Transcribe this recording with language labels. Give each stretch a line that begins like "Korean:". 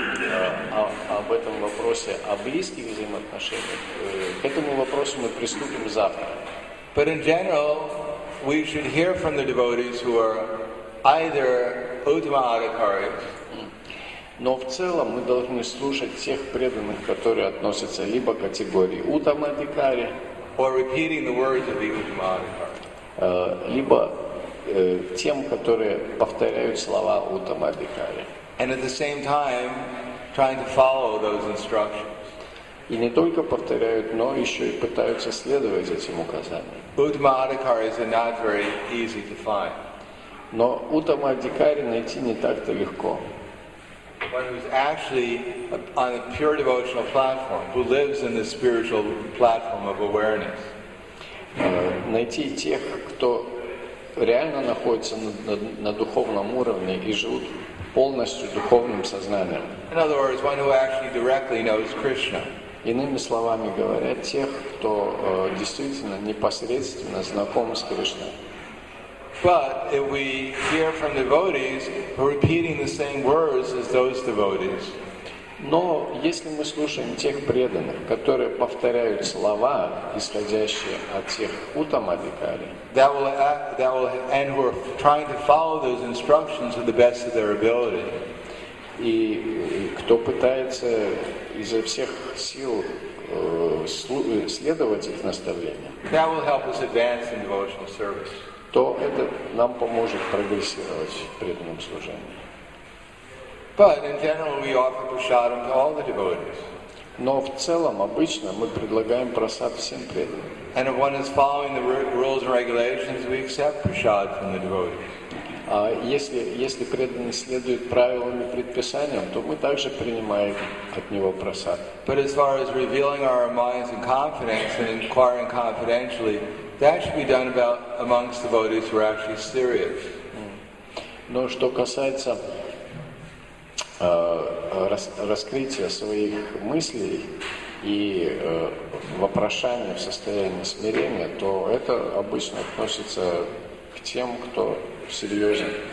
Russian: Об этом вопросе, о близких взаимоотношениях, к этому вопросу мы приступим завтра.
English: But in general, we should hear from the devotees who are either Uttama Adhikaris.
Russian: Но в целом мы должны слушать тех преданных, которые относятся либо к категории Uttama Adhikari,
English: or repeating the words of the Uttama Adhikari.
Russian: Либо тем, которые повторяют слова Uttama Adhikari.
English: And at the same time, trying to follow those instructions.
Russian: И не только повторяют, но еще и пытаются следовать этим указаниям.
English: Uttama Adhikaris are not very easy to find.
Russian: Но Uttama Adhikari найти не так-то легко.
English: One who is actually on a pure devotional platform, who lives in the spiritual platform of awareness.
Russian: Найти тех, кто реально находится на духовном уровне и живут полностью духовным сознанием.
English: In other words, one who actually directly knows Krishna.
Russian: Иными словами говоря, тех, кто действительно непосредственно знаком с Кришной.
English: But if we hear from devotees repeating the same words as those devotees.
Russian: Но если мы слушаем тех преданных, которые повторяют слова, исходящие от тех Uttama Adhikari,
English: that will and who are trying to follow those instructions to the best of their ability.
Russian: И кто пытается изо всех сил следовать их наставлениям.
English: That will help us advance in devotional service.
Russian: То это нам поможет прогрессировать в преданном служении.
English: But in general, we offer prasadam to all the devotees.
Russian: Но в целом обычно мы предлагаем просад всем преданным.
English: And if one is following the rules and regulations, we accept prasad from the devotees.
Russian: А если преданный следует правилам и предписаниям, то мы также принимаем от него просад.
English: But as far as revealing our minds and confidence and inquiring confidentially. That should be done about amongst the devotees who are actually serious.
Russian: Но что касается раскрытия своих мыслей и вопрошания в состоянии смирения, то это обычно относится к тем, кто серьезен.